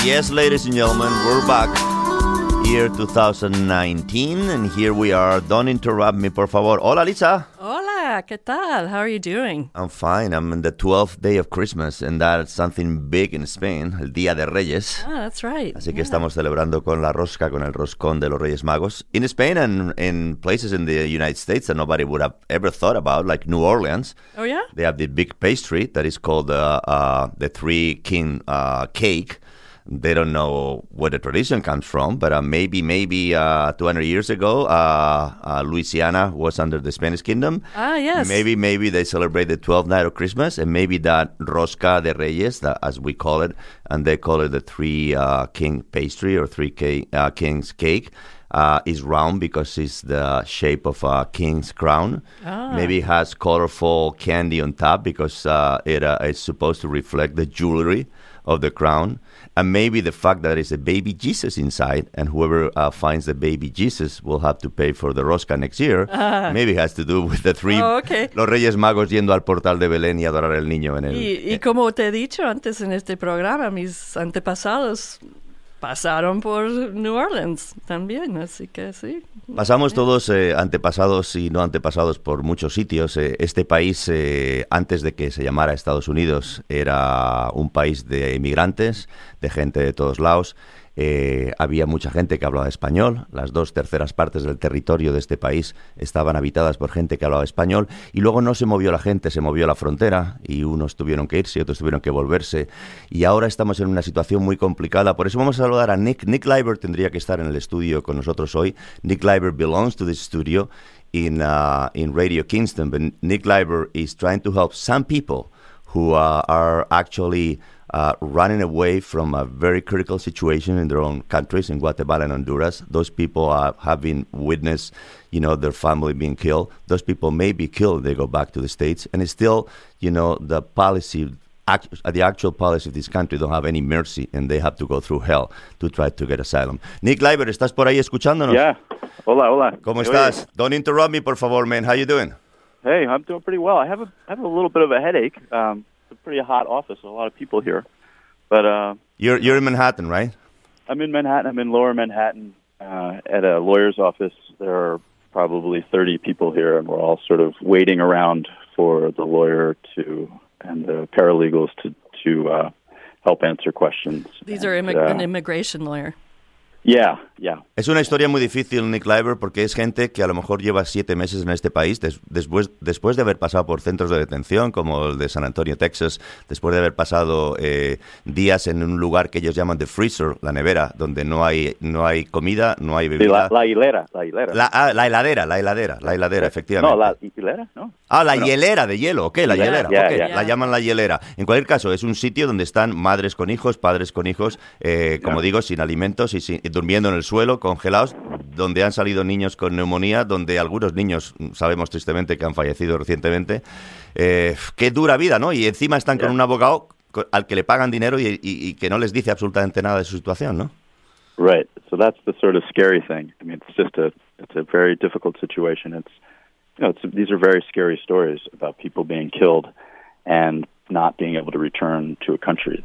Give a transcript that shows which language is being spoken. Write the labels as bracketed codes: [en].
[en] Yes, ladies and gentlemen, we're back. Year 2019, and here we are. Don't interrupt me, [es] por favor. Hola, [en] Lisa. [es] Hola, ¿qué tal? [en] How are you doing? I'm fine. I'm in the 12th day of Christmas, and that's something big in Spain, [es] el Día de Reyes. [en] Oh, that's right. [es] Así que estamos celebrando con la rosca, con el roscón de los Reyes Magos. [en] In Spain and in places in the United States that nobody would have ever thought about, like New Orleans. Oh, yeah? They have the big pastry that is called the Three King Cake. They don't know where the tradition comes from, but maybe 200 years ago, Louisiana was under the Spanish kingdom. Ah, yes. Maybe they celebrate the 12th night of Christmas, and maybe that Rosca de Reyes, that, as we call it, and they call it the three king pastry or three kings cake, is round because it's the shape of a king's crown. Ah. Maybe it has colorful candy on top because it is supposed to reflect the jewelry of the crown. And maybe the fact that there's a baby Jesus inside, and whoever finds the baby Jesus will have to pay for the rosca next year. Maybe has to do with the three. Oh, okay. [es] Los Reyes Magos yendo al portal de Belén y adorar el niño en él. Y como te he dicho antes en este programa, mis antepasados pasaron por New Orleans también, así que sí. Pasamos todos antepasados y no antepasados por muchos sitios. Este país, antes de que se llamara Estados Unidos, era un país de emigrantes, de gente de todos lados. Había mucha gente que hablaba español. Las dos terceras partes del territorio de este país estaban habitadas por gente que hablaba español. Y luego no se movió la gente, se movió la frontera. Y unos tuvieron que irse y otros tuvieron que volverse. Y ahora estamos en una situación muy complicada. Por eso vamos a saludar a Nick. Nick Leiber tendría que estar en el estudio con nosotros hoy. [en] Nick Leiber belongs to this studio in Radio Kingston. But Nick Leiber is trying to help some people who are actually running away from a very critical situation in their own countries, in Guatemala and Honduras. Those people have been witnessed, you know, their family being killed. Those people may be killed if they go back to the States. And it's still, you know, the policy, the actual policy of this country don't have any mercy, and they have to go through hell to try to get asylum. [es] Nick Leiber, ¿estás por ahí escuchándonos? [en] Yeah. [es] Hola, hola. ¿Cómo estás? Oye. [en] Don't interrupt me, [es] por favor, [en] man. How you doing? Hey, I'm doing pretty well. I have a little bit of a headache. It's a pretty hot office, a lot of people here. But You're in Manhattan, right? I'm in Manhattan. I'm in Lower Manhattan at a lawyer's office. There are probably 30 people here, and we're all sort of waiting around for the lawyer and the paralegals to help answer questions. These are an immigration lawyer. Yeah, yeah. [es] Es una historia muy difícil, Nick Leiber, porque es gente que a lo mejor lleva 7 meses en este país, después de haber pasado por centros de detención, como el de San Antonio, Texas, después de haber pasado días en un lugar que ellos llaman [en] the freezer, [es] la nevera, donde no hay comida, no hay bebida. Sí, la hilera. La heladera, efectivamente. No, la hilera, ¿no? Ah, la hielera de hielo, ok, la hielera, [en] yeah, okay. Yeah. [es] La llaman la hielera. En cualquier caso, es un sitio donde están madres con hijos, padres con hijos, como digo, sin alimentos y durmiendo en el suelo, congelados, donde han salido niños con neumonía, donde algunos niños, sabemos tristemente, que han fallecido recientemente. Qué dura vida, ¿no? Y encima están con un abogado al que le pagan dinero y que no les dice absolutamente nada de su situación, ¿no? [en] Right, so that's the sort of scary thing. I mean, it's a very difficult situation. These are very scary stories about people being killed and not being able to return to a country.